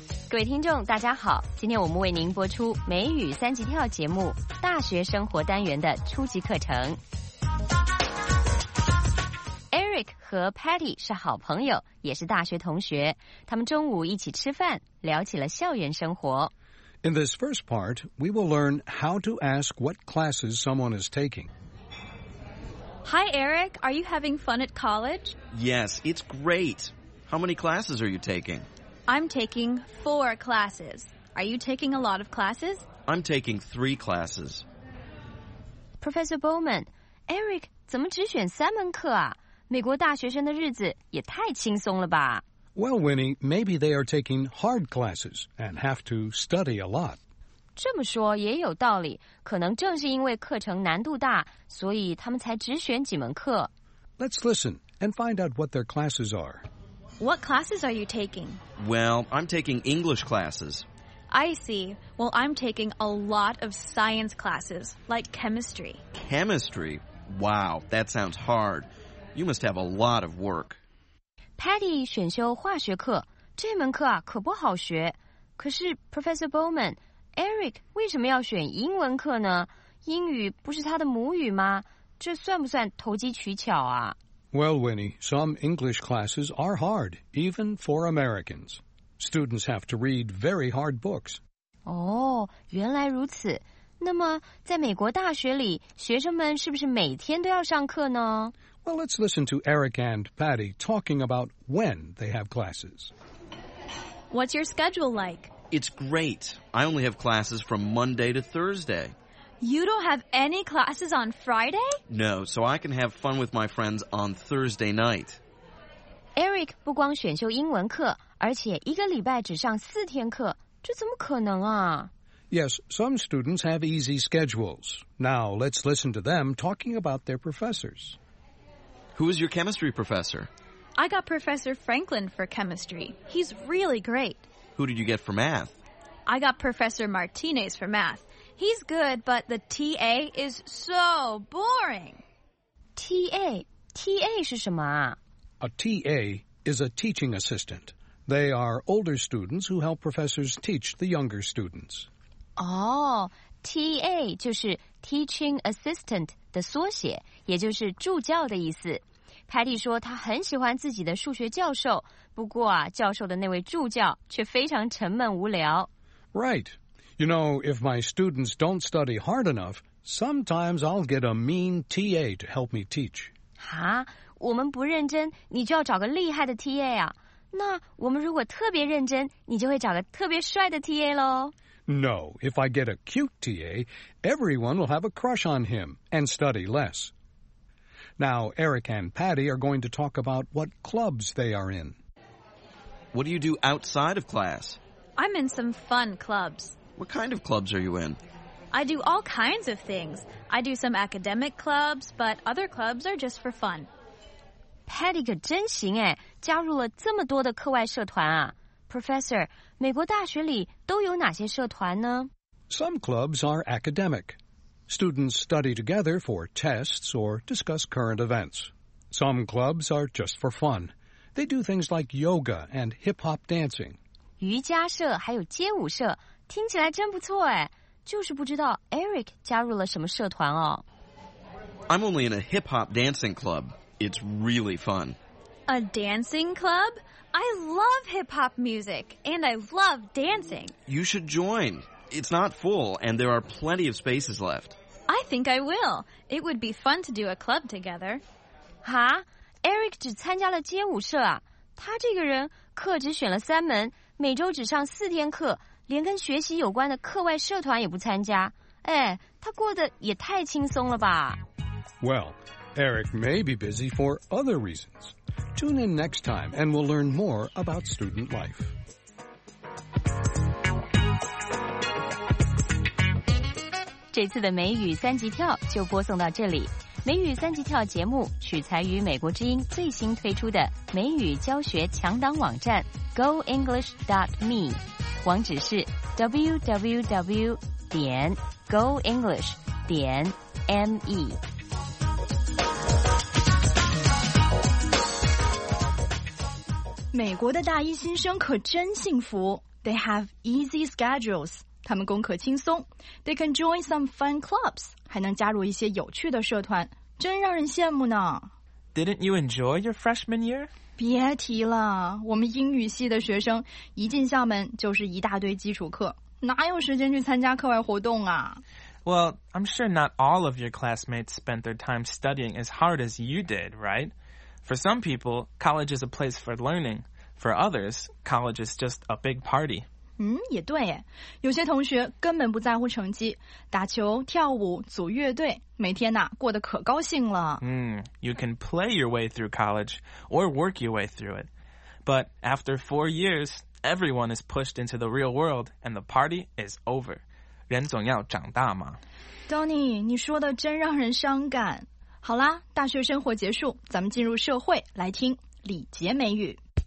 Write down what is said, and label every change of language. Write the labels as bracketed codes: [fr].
[zh] 各位听众，大家好，今天我们为您播出美语三级跳节目大学生活单元的初级课程。 Eric 和 Patty 是好朋友，也是大学同学。他们中午一起吃饭，聊起了校园生活。 [en] In this first part, we will learn how to ask what classes someone is taking. Hi, Eric. Are you having fun at college? Yes, it's great. How many classes are you taking? I'm taking 4 classes. Are you taking a lot of classes? I'm taking 3 classes. [zh] Professor Bowman, Eric 怎么只选三门课啊？美国大学生的日子也太轻松了吧。 [en] Well, Winnie, maybe they are taking hard classes and have to study a lot. [zh] 这么说也有道理，可能正是因为课程难度大，所以他们才只选几门课。 [en] Let's listen and find out what their classes are. What classes are you taking? Well, I'm taking English classes. I see. Well, I'm taking a lot of science classes, like chemistry. Chemistry? Wow, that sounds hard. You must have a lot of work. [zh] Patty 选修化学课，这门课啊可不好学。可是 Professor Bowman, Eric 为什么要选英文课呢？英语不是他的母语吗？这算不算投机取巧啊？ [en] Well, Winnie, some English classes are hard, even for Americans. Students have to read very hard books. [zh] 哦，原来如此。那么在美国大学里，学生们是不是每天都要上课呢？ [en] Well, let's listen to Eric and Patty talking about when they have classes. What's your schedule like? It's great. I only have classes from Monday to Thursday. You don't have any classes on Friday? No, so I can have fun with my friends on Thursday night. [zh] Eric 不光选修英文课，而且一个礼拜只上四天课，这怎么可能啊？ [en] Yes, some students have easy schedules. Now, let's listen to them talking about their professors. Who is your chemistry professor? I got Professor Franklin for chemistry. He's really great. Who did you get for math? I got Professor Martinez for math. He's good, but the TA is so boring. [zh] TA? TA 是什么啊? [en] A TA is a teaching assistant. They are older students who help professors teach the younger students. [zh] Oh, TA 就是 [en] teaching assistant [zh] 的缩写，也就是助教的意思。 Patty 说他很喜欢自己的数学教授，不过啊，教授的那位助教却非常沉闷无聊。 [en] Right. You know, if my students don't study hard enough, sometimes I'll get a mean TA to help me teach. [zh] 哈，我们不认真，你就要找个厉害的 TA 啊。那我们如果特别认真，你就会找个特别帅的 TA 咯。 [en] No, if I get a cute TA, everyone will have a crush on him and study less. Now, Eric and Patty are going to talk about what clubs they are in. What do you do outside of class? I'm in some fun clubs. What kind of clubs are you in? I do all kinds of things. I do some academic clubs, but other clubs are just for fun. [zh] Patty 可真行哎，加入了这么多的课外社团啊。 Professor, 美国大学里都有哪些社团呢? [en] Some clubs are academic. Students study together for tests or discuss current events. Some clubs are just for fun. They do things like yoga and hip-hop dancing. [zh] 瑜伽社还有街舞社,听起来真不错哎。就是不知道 Eric 加入了什么社团哦。 [en] I'm only in a hip-hop dancing club. It's really fun. A dancing club? I love hip-hop music, and I love dancing. You should join. It's not full, and there are plenty of spaces left. I think I will. It would be fun to do a club together. [zh] 哈?Eric 只参加了街舞社啊。他这个人课只选了三门，每周只上四天课，连跟学习有关的课外社团也不参加。哎，他过得也太轻松了吧。 [en] Well, Eric may be busy for other reasons. Tune in next time and we'll learn more about student life. [zh] This 次的美语三级跳就播送到这里。美语三级跳节目取材于美国之音最新推出的美语教学强档网站 goenglish.me, 网址是 www.goenglish.me。美国的大一新生可真幸福。 [en] They have easy schedules. [zh] 他们功课轻松。 [en] They can join some fun clubs. [zh] 还能加入一些有趣的社团。真让人羡慕呢。 [en] Didn't you enjoy your freshman year? [zh] 别提了。我们英语系的学生一进校门就是一大堆基础课。哪有时间去参加课外活动啊。 [en] Well, I'm sure not all of your classmates spent their time studying as hard as you did, right? For some people, college is a place for learning. For others, college is just a big party. [zh] 也对耶。有些同学根本不在乎成绩，打球、跳舞、组乐队，每天呐，过得可高兴了。 [en] You can play your way through college or work your way through it. But after 4 years, everyone is pushed into the real world and the party is over. [zh] 人总要长大嘛。 Donny, 你说的真让人伤感。好啦，大学生活结束，咱们进入社会，来听李杰美语。